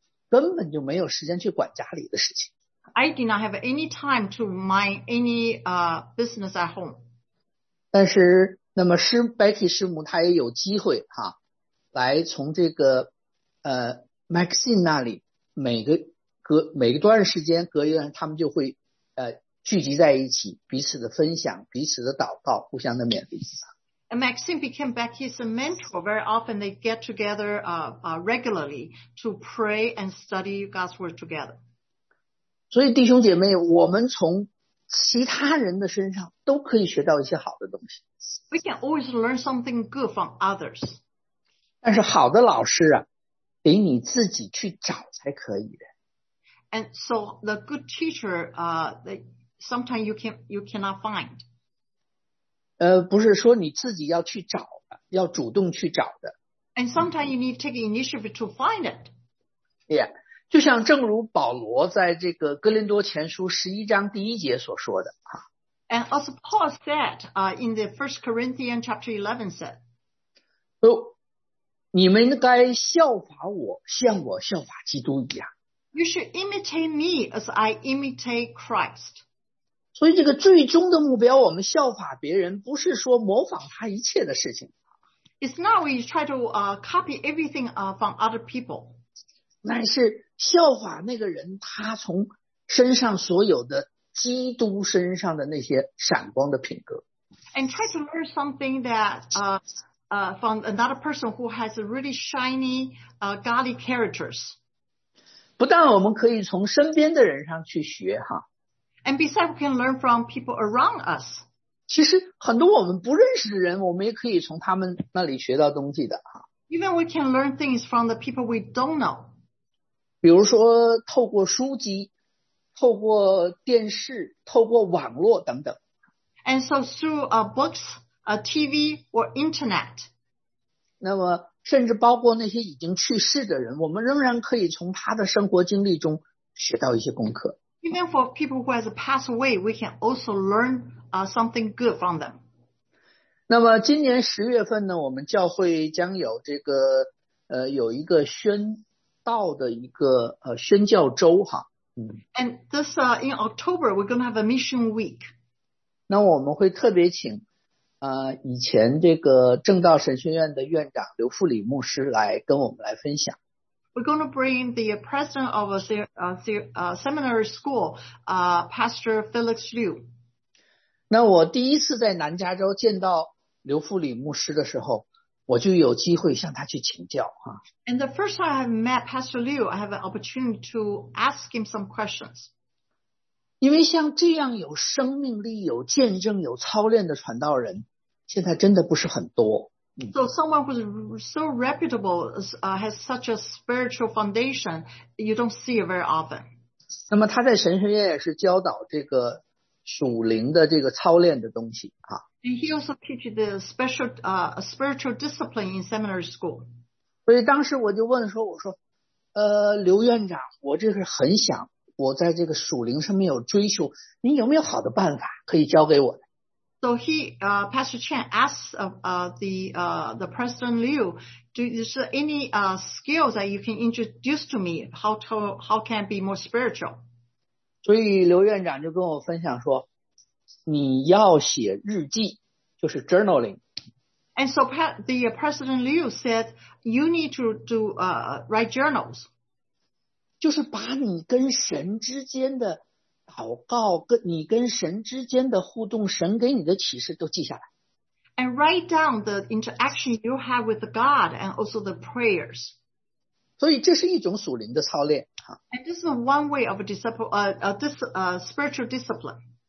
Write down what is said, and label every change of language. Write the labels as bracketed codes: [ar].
[zh] 根本就没有时间去管家里的事情。 [en] I did not have any time to mind any business at home. [zh] 但是那么师 Becky 师母她也有机会哈、啊、来从这个Maxine 那里每一段时间他们就会聚集在一起彼此的分享彼此的祷告互相的勉励。 [en] And Maxine became Becky's mentor. Very often they get together regularly to pray and study God's word together. [zh] 所以弟兄姐妹我们从其他人的身上都可以学到一些好的东西。 [en] We can always learn something good from others. [zh] 但是好的老师啊得你自己去找才可以的。 [en] And so the good teacher, sometimes you cannot find. [zh] 不是说你自己要去找的，要主动去找的。 [en] And sometimes you need to take initiative to find it. [zh] Yeah, 就像正如保罗在这个哥林多前书十一章第一节所说的啊。 [en] And as Paul said, in the First Corinthians chapter 11 said, [zh] 你们该效法我，像我效法基督一样。 [en] You should imitate me as I imitate Christ. [zh] 所以这个最终的目标我们效法别人不是说模仿他一切的事情。 [en] It's not we try to copy everything from other people. [zh] 乃是效法那个人他从身上所有的基督身上的那些闪光的品格。 [en] And try to learn something that from another person who has a really shiny godly characters. [zh] 不但我们可以从身边的人上去学哈。 [en] And besides, we can learn from people around us. [zh] 其实很多我们不认识的人，我们也可以从他们那里学到东西的啊。 [en] Even we can learn things from the people we don't know. [zh] 比如说透过书籍，透过电视，透过网络等等。 [en] And so through books, TV or internet. [zh] 那么甚至包括那些已经去世的人，我们仍然可以从他的生活经历中学到一些功课。 [en] Even for people who has passed away, we can also learn something good from them. [zh] 那么今年十月份呢，我们教会将有这个有一个宣道的一个宣教周哈。嗯。 [en] And this in October we're going to have a mission week. [zh] 那我们会特别请以前这个正道神学院的院长刘富礼牧师来跟我们来分享。 [en] We're going to bring the president of a seminary school, Pastor Felix Liu. [zh] 那我第一次在南加州见到刘富礼牧师的时候，我就有机会向他去请教啊。 [en] And the first time I met Pastor Liu, I have an opportunity to ask him some questions. [zh] 因为像这样有生命力、有见证、有操练的传道人，现在真的不是很多。 [en] So someone who's so reputable has such a spiritual foundation, you don't see it very often. [zh] 那么他在神学院也是教导这个属灵的这个操练的东西啊。 [en] And he also teaches the special spiritual discipline in seminary school. [zh] 所以当时我就问说，我说，刘院长，我这是很想我在这个属灵上面有追求，你有没有好的办法可以教给我？ [en] So Pastor Chen asked the President Liu, is there any skills that you can introduce to me? How can I be more spiritual? [zh] 所以刘院长就跟我分享说，你要写日记，就是 journaling. [en] And so the President Liu said, you need to do write journals. [zh] 就是把你跟神之间的祷告，跟你跟神之间的互动，神给你的启示都记下来。 [en] And write down the interaction you have with God and also the prayers. [zh] 所以这是一种属灵的操练。 [en] And this is one way of spiritual discipline.